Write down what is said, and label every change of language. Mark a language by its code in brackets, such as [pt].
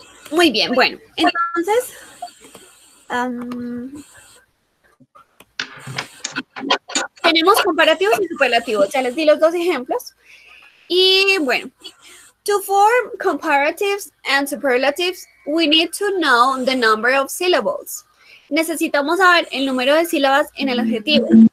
[es] Muy bien, bueno, entonces, tenemos comparativos y superlativos. Ya les di los dos ejemplos. Y bueno, [en] to form comparatives and superlatives, we need to know the number of syllables. [es] Necesitamos saber el número de sílabas en el adjetivo.